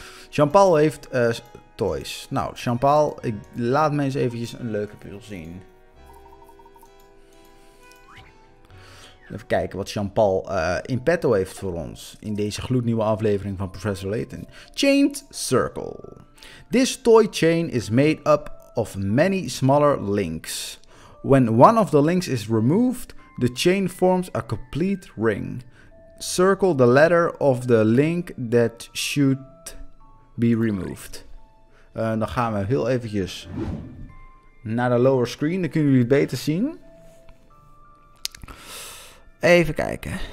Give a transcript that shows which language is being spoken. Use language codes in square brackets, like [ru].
[nl] Jean-Paul heeft toys. Nou, Jean-Paul, ik laat me eens eventjes een leuke puzzel zien. Even kijken wat Jean-Paul in petto heeft voor ons in deze gloednieuwe aflevering van Professor Layton. [en] Chained Circle. This toy chain is made up of many smaller links. When one of the links is removed, the chain forms a complete ring. Circle the letter of the link that should be removed. [nl] Dan gaan we heel eventjes naar de lower screen. Dan kunnen jullie het beter zien. Even kijken.